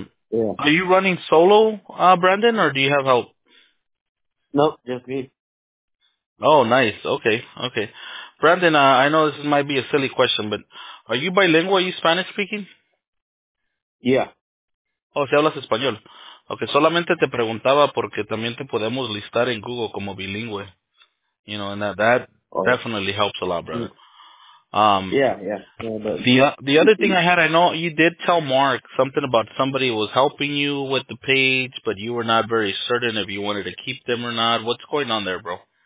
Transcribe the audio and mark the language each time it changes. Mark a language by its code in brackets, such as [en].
[en] Yeah. Are you running solo, Brandon, or do you have help? Nope, just me. Oh, nice. Okay. Brandon, I know this might be a silly question, but are you bilingual? Are you Spanish speaking? Yeah. [es] Oh, si hablas español. Okay, solamente te preguntaba porque también te podemos listar en Google como bilingüe. [en] And that definitely helps a lot, brother. The other thing I had, I know you did tell Mark something about somebody was helping you with the page, but you were not very certain if you wanted to keep them or not. What's going on there, bro?